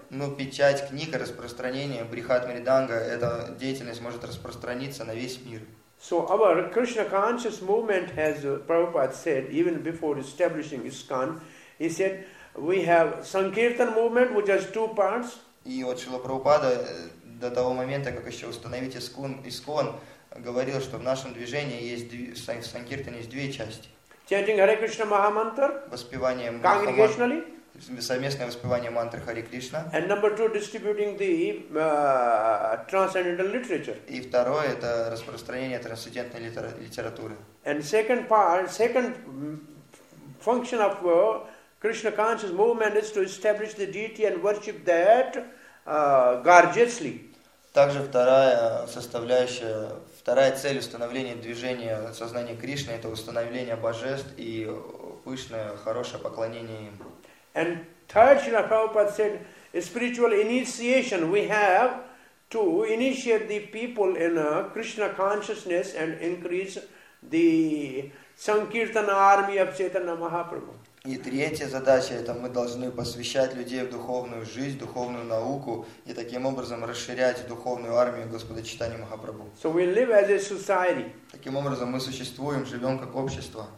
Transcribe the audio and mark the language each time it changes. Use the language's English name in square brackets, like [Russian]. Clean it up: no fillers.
[Russian] Ну, печать книг и распространение Брихат Мриданга, эта деятельность может распространиться на весь мир. [English] So our Krishna conscious movement, as Prabhupada said, even before establishing ISKCON, he said, we have Sankirtan movement, which has two parts. [Russian] И вот Шрила Прабхупада до того момента, как еще установить ISKCON, говорил, что в нашем движении есть Sankirtan есть две части. [English] Chanting Hare Krishna Mahamantra. [Russian] Воспевание [English] Congregationally. [Russian] Совместное воспевание мантры Хари Кришна. [English] And number two, distributing the transcendental literature. [Russian] И второе это распространение трансцендентной литературы. [English] And second part, second function of Krishna conscious movement is to establish the deity and worship that gorgeously. [Russian] Также вторая составляющая, вторая цель установления движения сознания Кришны это установление божеств и пышное хорошее поклонение им. [English] And third, Srila Prabhupada said, spiritual initiation, we have to initiate the people in Krishna consciousness and increase the Sankirtana army of Chaitanya Mahaprabhu. [Russian] И третья задача, это мы должны посвящать людей в духовную жизнь, духовную науку, и таким образом расширять духовную армию Господа Чайтанья Махапрабху. [English] So we live as a society. [Russian] Таким образом мы существуем, живем как общество.